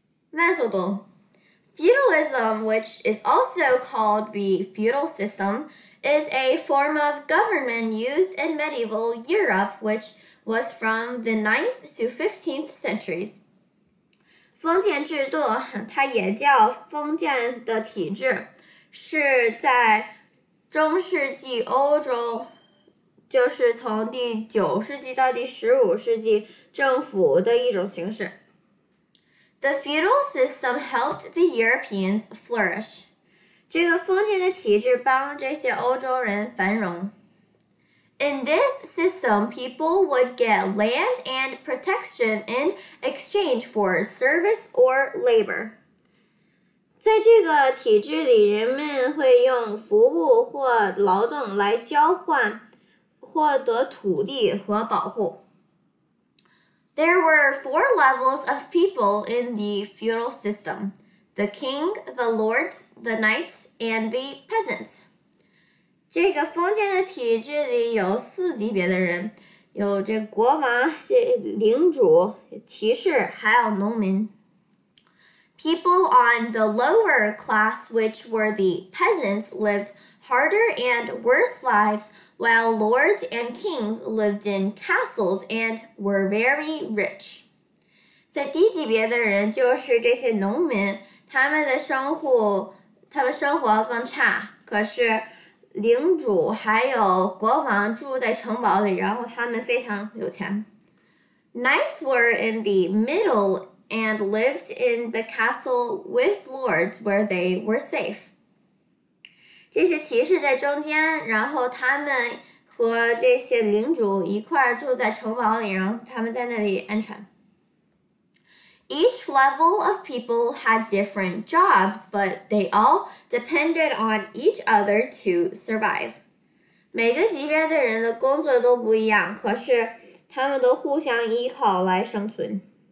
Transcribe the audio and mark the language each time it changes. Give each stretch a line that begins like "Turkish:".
Chinese: 慢速读。
English: Feudalism, which is also called the feudal system, is a form of government used in medieval Europe, which was from the 9th to 15th centuries.
Chinese: 封建制度，它也叫封建的体制，是在中世纪欧洲，就是从第9世纪到第15世纪政府的一种形式。
English: The feudal system helped the Europeans flourish.
Chinese: 这个封建的体制帮这些欧洲人繁荣。
English: In this system, people would get land and protection in exchange for service or labor.
Chinese: 在这个体制里，人们会用服务或劳动来交换获得土地和保护。
English: There were four levels of people in the feudal system: the king, the lords, the knights, and the peasants.
Chinese: 这个封建的体制里有四级别的人，有这国王、这领主、骑士，还有农民。
English: People on the lower class, which were the peasants, lived harder and worse lives, while lords and kings lived in castles and were very rich.
Chinese: 在低级别的人就是这些农民，他们生活更差，可是。领主还有国王住在城堡里，然后他们非常有钱。
English: Knights were in the middle and lived in the castle with lords where they were safe.
Chinese: 这些骑士在中间，然后他们和这些领主一块住在城堡里，然后他们在那里安全。
English: Each level of people had different jobs, but they all depended on each other to survive.
Chinese: 每个级别的人的工作都不一样，可是他们都互相依靠来生存。